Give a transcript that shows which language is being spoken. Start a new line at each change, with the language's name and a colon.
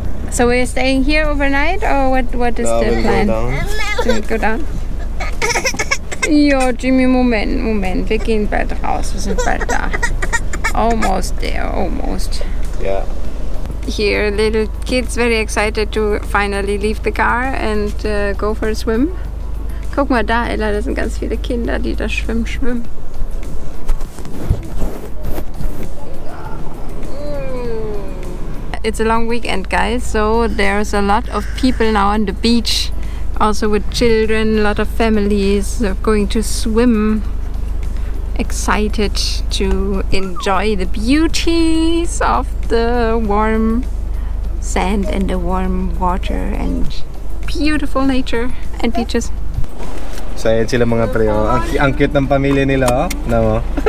English: So we're staying here overnight, or what is no, the we'll plan? Go down. Go down?
German: Yo, Jimmy, moment, wir gehen bald raus, wir sind bald da.
English: Almost there, almost. Yeah. Here, little kids very excited to finally leave the car and go for a swim.
German: Guck mal da, Ella, da sind ganz viele Kinder, die da schwimmen.
English: It's a long weekend, guys, so there's a lot of people now on the beach, also with children, a lot of families going to swim, excited to enjoy the beauties of the warm sand and the warm water and beautiful nature and beaches.
Filipino: So ayan sila mga pre, ang cute ng pamilya nila, oh.